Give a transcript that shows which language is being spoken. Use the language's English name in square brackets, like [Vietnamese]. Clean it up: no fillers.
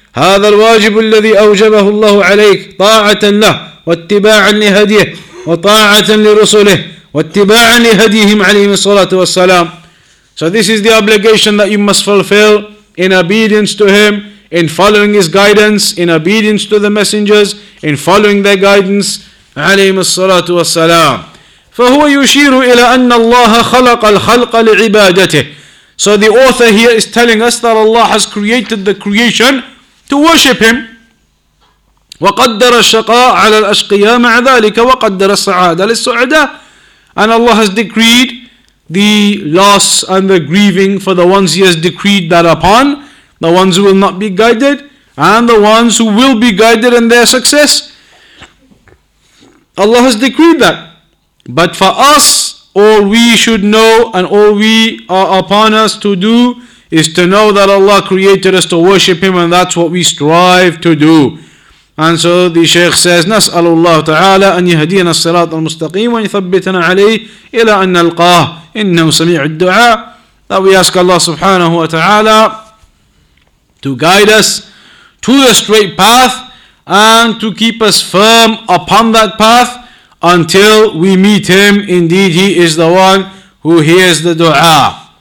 [Arabic] هذا الواجب الذي أوجبه الله عليك طاعة له واتباعا لهديه وطاعة لرسله واتباعا لهديهم عليه الصلاة والسلام. [English] So this is the obligation that you must fulfill in obedience to Him, in following His guidance, in obedience to the messengers, in following their guidance, [Arabic] عليهم الصلاة والسلام. فهو يشير إلى أن الله خلق الخلق لعبادته. [English] So the author here is telling us that Allah has created the creation to worship Him. [Arabic] وقدر الشقاء على الأشقياء مع ذلك وقدر السعادة للسعداء. [English] And Allah has decreed the loss and the grieving for the ones He has decreed that upon, the ones who will not be guided, and the ones who will be guided and their success. Allah has decreed that. But for us, all we should know and all we are upon us to do is to know that Allah created us to worship Him, and that's what we strive to do. And so the Shaykh says, [Arabic] نسأل الله تعالى أن يهدينا الصراط المستقيم ويثبتنا عليه إلى أن نلقاه إنه سميع الدعاء. [English] That we ask Allah subhanahu wa ta'ala to guide us to the straight path and to keep us firm upon that path until we meet Him. Indeed, He is the one who hears the dua.